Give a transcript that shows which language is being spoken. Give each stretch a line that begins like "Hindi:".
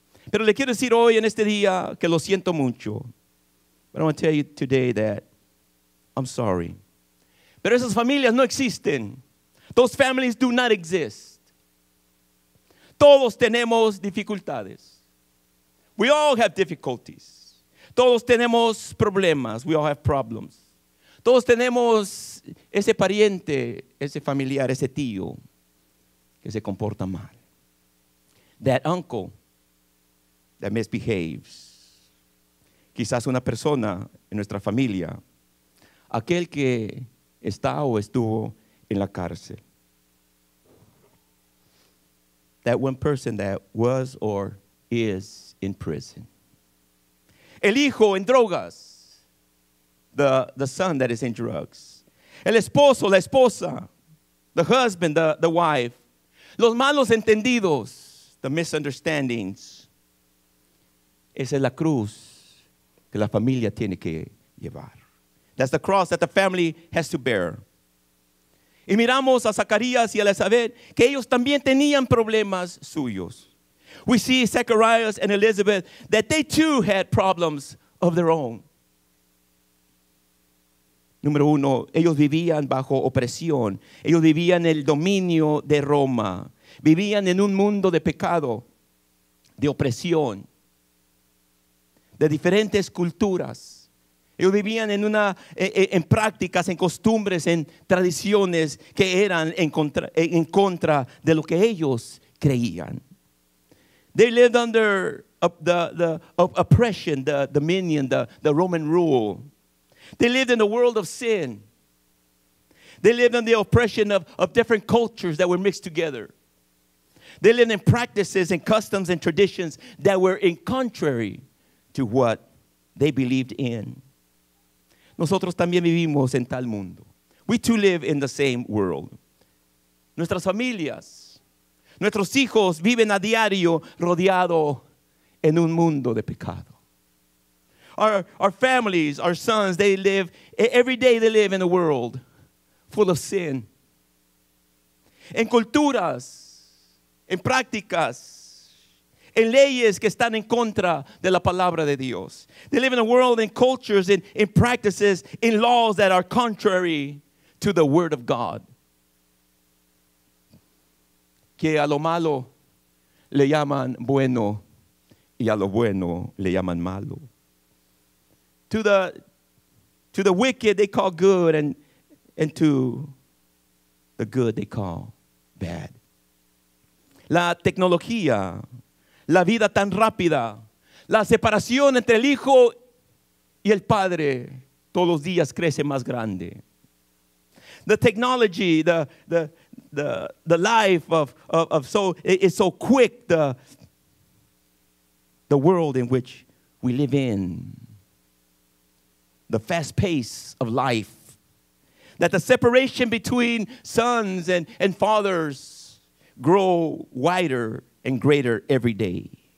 Spanish: Pero le quiero decir hoy en este día que lo siento mucho.
English: But I want to tell you today that I'm sorry.
Spanish: Pero esas familias no existen.
English: Those families do not exist.
Spanish: Todos tenemos dificultades.
English: We all have difficulties.
Spanish: Todos tenemos problemas.
English: We all have problems.
Spanish: Todos tenemos ese pariente, ese familiar, ese tío que se comporta mal.
English: That uncle that misbehaves.
Spanish: Quizás una persona en nuestra familia. Aquel que está o estuvo en la cárcel.
English: That one person that was or is in prison.
Spanish: El hijo en drogas.
English: The son that is in drugs.
Spanish: el esposo, la esposa,
English: the husband, the wife,
Spanish: los malos entendidos,
English: the misunderstandings.
Spanish: Esa es la cruz que la familia tiene que llevar.
English: That's the cross that the family has to bear.
Spanish: Y miramos a Zacarías y a Elizabeth, que ellos también tenían problemas suyos.
English: We see Zacharias and Elizabeth that they too had problems of their own.
Spanish: Número uno, ellos vivían bajo opresión. Ellos vivían en el dominio de Roma. Vivían en un mundo de pecado, de opresión, de diferentes culturas. Ellos vivían en una, en prácticas, en costumbres, en tradiciones que eran en contra de lo que ellos creían.
English: They lived under the oppression, the dominion, the Roman rule. They lived in a world of sin. They lived in the oppression of different cultures that were mixed together. They lived in practices and customs and traditions that were in contrary to what they believed in.
Spanish: Nosotros también vivimos en tal mundo.
English: We too live in the same world.
Spanish: Nuestras familias, nuestros hijos viven a diario rodeado en un mundo de pecado.
English: Our families, our sons, they live, every day they live in a world full of sin.
Spanish: En culturas, en prácticas, en leyes que están en contra de la palabra de Dios.
English: They live in a world in cultures, in practices, in laws that are contrary to the word of God.
Spanish: Que a lo malo le llaman bueno y a lo bueno le llaman malo.
English: To the wicked they call good, and to the good they call bad.
Spanish: La tecnología, la vida tan rápida, la separación entre el hijo y el padre todos los días crece más grande.
English: The technology, the life of so is so quick, the world in which we live in. The fast pace of life, that the separation between sons and fathers grow wider and greater every day.